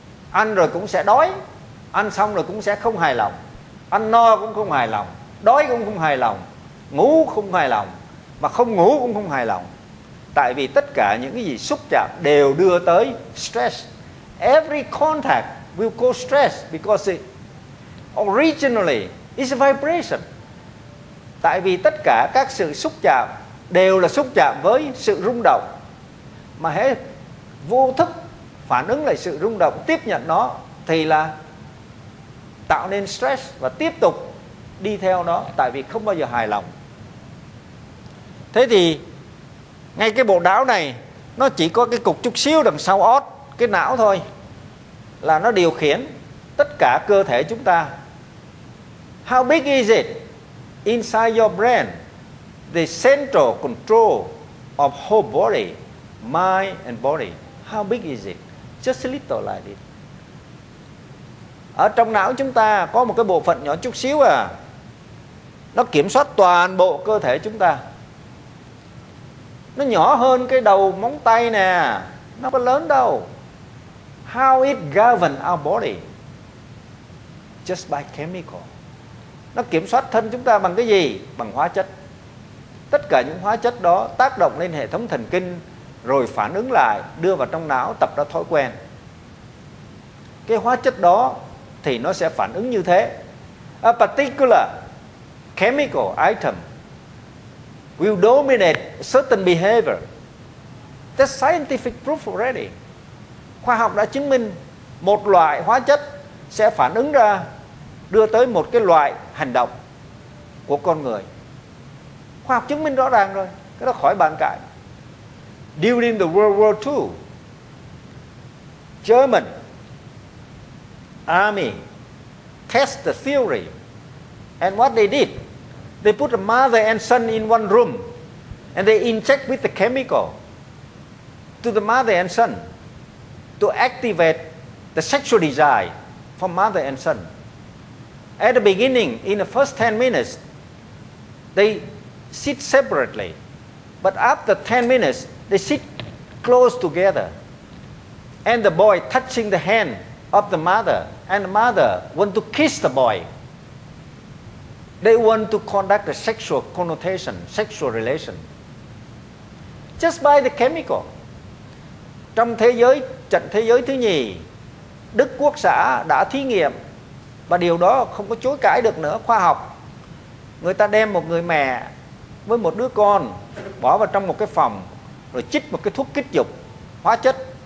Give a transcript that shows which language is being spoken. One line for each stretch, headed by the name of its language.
Vietnamese: Ăn rồi cũng sẽ đói, ăn xong rồi cũng sẽ không hài lòng. Ăn no cũng không hài lòng, đói cũng không hài lòng, ngủ không hài lòng, mà không ngủ cũng không hài lòng. Tại vì tất cả những cái gì xúc chạm đều đưa tới stress.
English: Every contact will cause stress because it originally is a vibration.
Vietnamese: Tại vì tất cả các sự xúc chạm đều là xúc chạm với sự rung động. Mà hễ vô thức phản ứng lại sự rung động, tiếp nhận nó thì là tạo nên stress và tiếp tục đi theo nó, tại vì không bao giờ hài lòng. Thế thì ngay cái bộ não này, nó chỉ có cái cục chút xíu đằng sau ót, cái não thôi, là nó điều khiển tất cả cơ thể chúng ta.
English: How big is it inside your brain? The central control of whole body, mind and body. How big is it? Just a little like it.
Vietnamese: Ở trong não chúng ta có một cái bộ phận nhỏ chút xíu à, nó kiểm soát toàn bộ cơ thể chúng ta. Nó nhỏ hơn cái đầu móng tay nè, nó có lớn đâu.
English: How it govern our body? Just by chemical.
Vietnamese: Nó kiểm soát thân chúng ta bằng cái gì? Bằng hóa chất. Tất cả những hóa chất đó tác động lên hệ thống thần kinh, rồi phản ứng lại, đưa vào trong não, tập ra thói quen. Cái hóa chất đó thì nó sẽ phản ứng như thế.
English: A particular chemical item will dominate certain behavior. That's scientific proof already.
Vietnamese: Khoa học đã chứng minh một loại hóa chất sẽ phản ứng ra, đưa tới một cái loại hành động của con người. Khoa học chứng minh rõ ràng rồi, cái đó khỏi bàn cãi.
English: During the World War II, German army test the theory, and what they did, they put a mother and son in one room, and they inject with the chemical to the mother and son to activate the sexual desire from mother and son. At the beginning, in the first 10 minutes, they sit separately, but after 10 minutes, they sit close together, and the boy touching the hand of the mother, and the mother want to kiss the boy. They want to conduct a sexual connotation, sexual relation, just by the chemical.
Vietnamese: Trong thế giới, trận thế giới thứ nhì, Đức Quốc xã đã thí nghiệm, và điều đó không có chối cãi được nữa, khoa học. Người ta đem một người mẹ với một đứa con bỏ vào trong một cái phòng, rồi chích một cái thuốc kích dục, hóa chất.